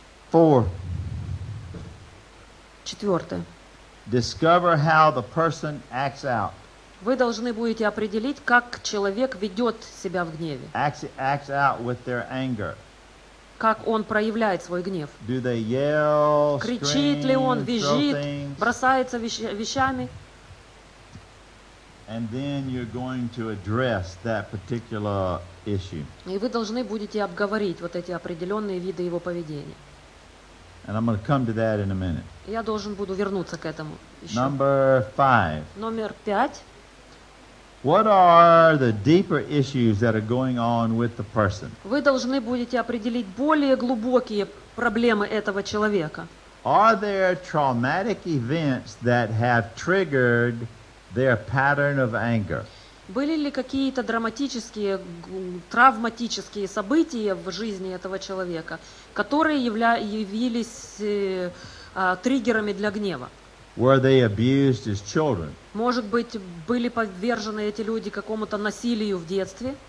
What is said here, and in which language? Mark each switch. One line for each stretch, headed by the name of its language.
English: Four.
Russian: Четвертое.
English: Discover how the person acts out.
Russian: Вы должны будете определить, как человек ведет себя в гневе.
English: Acts out with their anger.
Russian: Как он проявляет свой гнев.
English: Do they yell,
Russian: кричит
English: scream,
Russian: ли он, визжит, бросается вещами.
English: And then you're going to address that particular issue.
Russian: И вы должны будете обговорить вот эти определенные виды его поведения.
English: And I'm going to come to that in a minute.
Russian: Я должен буду вернуться к этому еще.
English: Number five.
Russian: Номер пять.
English: What are the deeper issues that are going on with the person?
Russian: Вы должны будете определить более глубокие проблемы этого человека.
English: Are there traumatic events that have triggered their pattern of anger?
Russian: Были ли какие-то драматические, травматические события в жизни этого человека, которые явились триггерами для гнева?
English: Were they abused as children?
Russian: Может быть, были подвержены эти люди какому-то насилию в детстве?